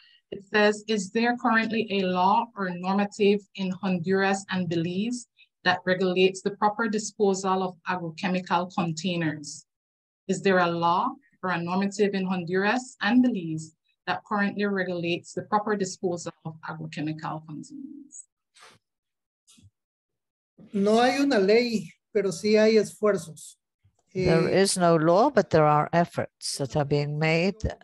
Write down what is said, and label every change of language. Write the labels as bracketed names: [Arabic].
[English] It says, is there currently a law or normative in Honduras and Belize that regulates the proper disposal of agrochemical containers? Is there a law or a normative in Honduras and Belize that currently regulates the proper disposal of agrochemical containers? [Spanish] No hay una ley, pero sí hay esfuerzos. [English] There is no law, but there are efforts that are being made.